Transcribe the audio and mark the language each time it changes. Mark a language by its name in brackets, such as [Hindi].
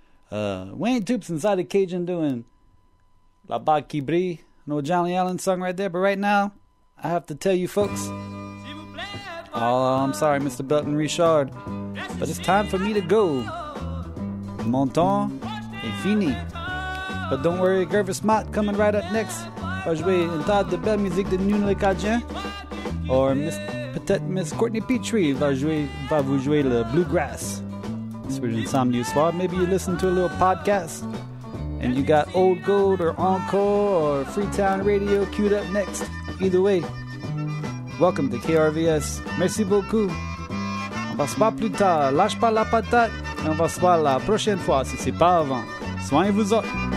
[English] Wayne Toops inside the Cajun doing La Bac qui Brie, an old Johnny Allen song right there. But right now, I have to tell you folks, oh, I'm sorry, Mr. Belton Richard, but it's time for me to go. [French] Mon temps est fini. [English] But don't worry, Gervis Mott coming right up next. [French] Va jouer une tas de belle musique de Nune Le Cajun. Or peut-être Miss Courtney Petrie va vous jouer le bluegrass. [English] Sweet Insomnia Squad. Maybe you listen to a little podcast and you got Old Gold or Encore or Freetown Radio queued up next. Either way, welcome to KRVS. [French] Merci beaucoup. On va se voir plus tard. Lâche pas la patate. Et on va se voir la prochaine fois si c'est pas avant. Soignez-vous autres.